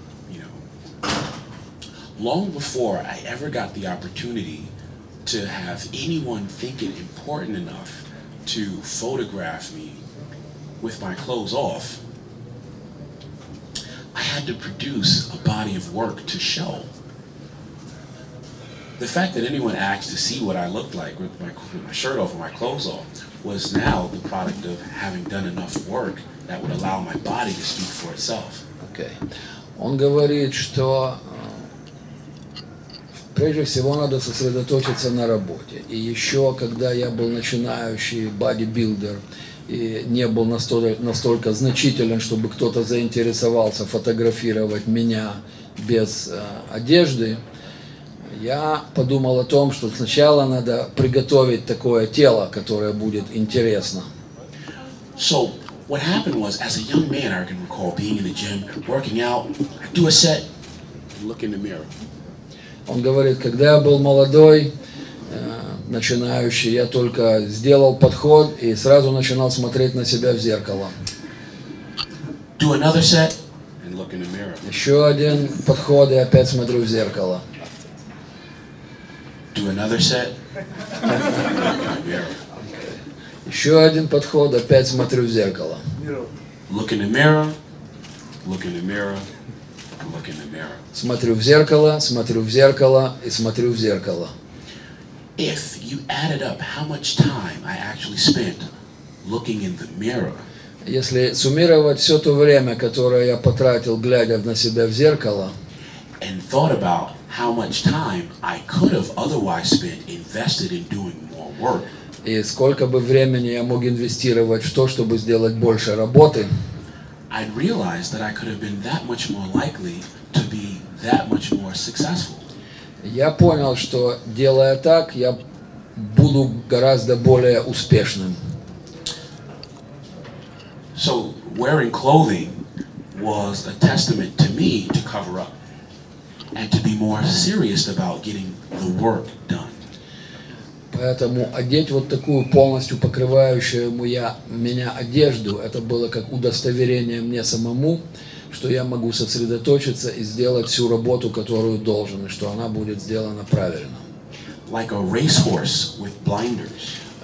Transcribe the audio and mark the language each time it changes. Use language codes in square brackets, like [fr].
[en] You know, long before I ever got the opportunity to have anyone think it important enough to photograph me with my clothes off, I had to produce a body of work to show. the fact that anyone asked to see what I looked like with my shirt off or my clothes off was now the product of having done enough work that would allow my body to speak for itself. Okay. [ru] Он говорит, что прежде всего надо сосредоточиться на работе. И еще, когда я был начинающий бодибилдер и не был настолько значителен, чтобы кто-то заинтересовался фотографировать меня без одежды, я подумал о том, что сначала надо приготовить такое тело, которое будет интересно. [en] So, what happened was, as a young man, I can recall being in the gym, working out, do a set, look in the mirror. [ru] Он говорит, когда я был молодой, начинающий, я только сделал подход и сразу начинал смотреть на себя в зеркало. [en] Do another set and look in the mirror. [ru] Еще один подход и опять смотрю в зеркало. [en] Do another set. [ru] Еще один подход, опять смотрю в зеркало. [en] Look in the mirror, look in the mirror, look in the mirror. [ru] Смотрю в зеркало, смотрю в зеркало и смотрю в зеркало. [en] If you added up how much time I actually spent looking in the mirror. [ru] Если суммировать все то время, которое я потратил, глядя на себя в зеркало. [en] And thought about how much time I could have otherwise spent invested in doing more work. [ru] И сколько бы времени я мог инвестировать в то, чтобы сделать больше работы, я понял, что делая так, я буду гораздо более успешным. [en] So wearing clothing was a testament to me to cover up and to be more serious about getting the work done. [ru] Поэтому одеть вот такую полностью покрывающую меня одежду, это было как удостоверение мне самому, что я могу сосредоточиться и сделать всю работу, которую должен, и что она будет сделана правильно. [en] Like a racehorse with blinders.